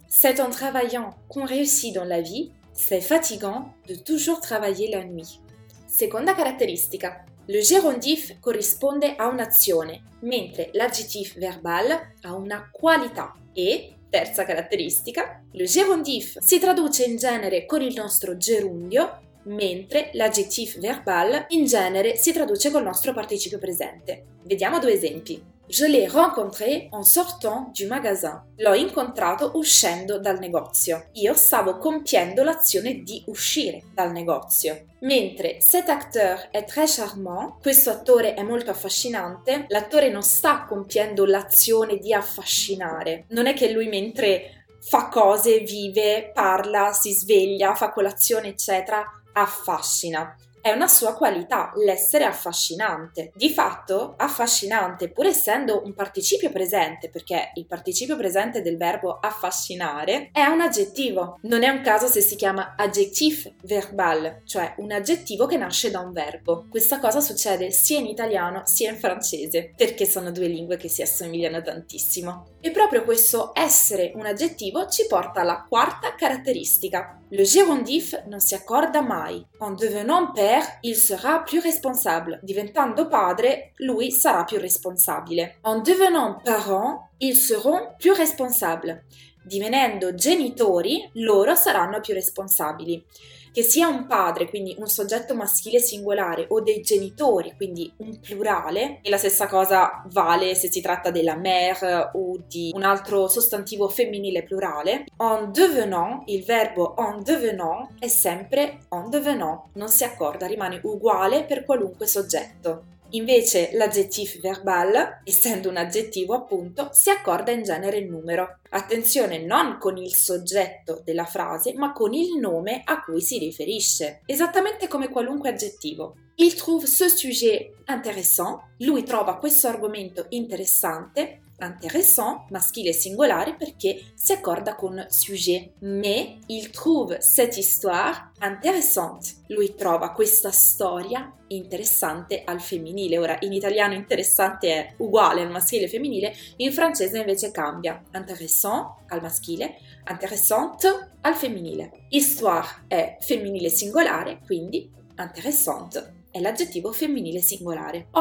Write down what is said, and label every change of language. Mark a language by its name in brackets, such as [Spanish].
[French] C'est en travaillant qu'on réussit dans la vie, c'est fatigant de toujours travailler la nuit. [Italian] Seconda caratteristica. Le gérondif corrisponde a un'azione, mentre l'adjectif verbal a una qualità. E, terza caratteristica, le gérondif si traduce in genere con il nostro gerundio, mentre l'adjectif verbal in genere si traduce col nostro participio presente. Vediamo due esempi. [French] Je l'ai rencontré en sortant du magasin. [Italian] L'ho incontrato uscendo dal negozio. Io stavo compiendo l'azione di uscire dal negozio. Mentre [French] cet acteur est très charmant, [Italian] questo attore è molto affascinante, l'attore non sta compiendo l'azione di affascinare. Non è che lui mentre fa cose, vive, parla, si sveglia, fa colazione, eccetera, affascina. È una sua qualità, l'essere affascinante. Di fatto, affascinante, pur essendo un participio presente, perché il participio presente del verbo affascinare, è un aggettivo. Non è un caso se si chiama adjectif verbal, cioè un aggettivo che nasce da un verbo. Questa cosa succede sia in italiano sia in francese, perché sono due lingue che si assomigliano tantissimo. E proprio questo essere un aggettivo ci porta alla quarta caratteristica. Le gérondif non si accorda mai. [French] En devenant père, il sera plus responsable. [Italian] Diventando padre, lui sarà più responsabile. [French] En devenant parents, ils seront plus responsables. [Italian] Divenendo genitori, loro saranno più responsabili. Che sia un padre, quindi un soggetto maschile singolare, o dei genitori, quindi un plurale, e la stessa cosa vale se si tratta della mère o di un altro sostantivo femminile plurale, en devenant, il verbo en devenant, è sempre en devenant, non si accorda, rimane uguale per qualunque soggetto. Invece l'adjectif verbal, essendo un aggettivo appunto, si accorda in genere il numero. Attenzione, non con il soggetto della frase, ma con il nome a cui si riferisce. Esattamente come qualunque aggettivo. [French] Il trouve ce sujet intéressant. [Italian] Lui trova questo argomento interessante. Intéressant, maschile singolare, perché si accorda con sujet. [French] Mais il trouve cette histoire intéressante. [Italian] Lui trova questa storia interessante al femminile. Ora, in italiano interessante è uguale al maschile e femminile, in francese invece cambia. Intéressant al maschile, intéressante al femminile. Histoire è femminile singolare, quindi intéressante è l'aggettivo femminile singolare.